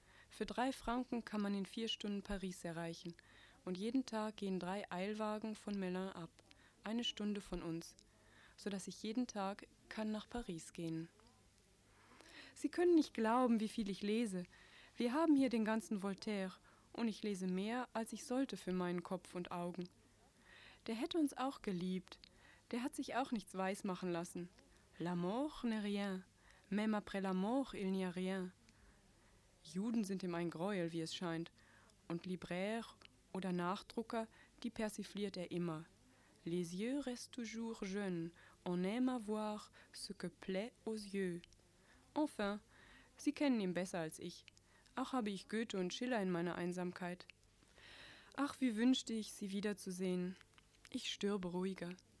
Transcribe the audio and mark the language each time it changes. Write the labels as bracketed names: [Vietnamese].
[German] Für 3 Franken kann man in 4 Stunden Paris erreichen und jeden Tag gehen 3 Eilwagen von Melun ab, 1 Stunde von uns, sodass ich jeden Tag kann nach Paris gehen. Sie können nicht glauben, wie viel ich lese. Wir haben hier den ganzen Voltaire und ich lese mehr, als ich sollte für meinen Kopf und Augen. Der hätte uns auch geliebt. Der hat sich auch nichts weismachen lassen. [French] L'amour n'est rien. Même après l'amour, il n'y a rien. [German] Juden sind ihm ein Greuel, wie es scheint. Und Libraire oder Nachdrucker, die persifliert er immer. [French] Les yeux restent toujours jeunes. On aime à voir ce que plaît aux yeux. [German] Enfin, Sie kennen ihn besser als ich. Auch habe ich Goethe und Schiller in meiner Einsamkeit. Ach, wie wünschte ich, Sie wiederzusehen. Ich stürbe ruhiger.